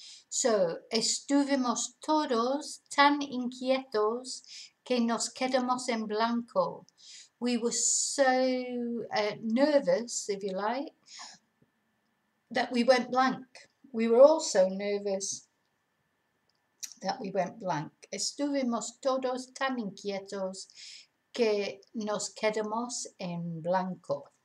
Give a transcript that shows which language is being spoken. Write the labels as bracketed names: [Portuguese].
[Spanish] So, estuvimos todos tan inquietos que nos quedamos en blanco. [English] We were so nervous, if you like, that we went blank. We were all so nervous that we went blank. [Spanish] Estuvimos todos tan inquietos que nos quedamos en blanco.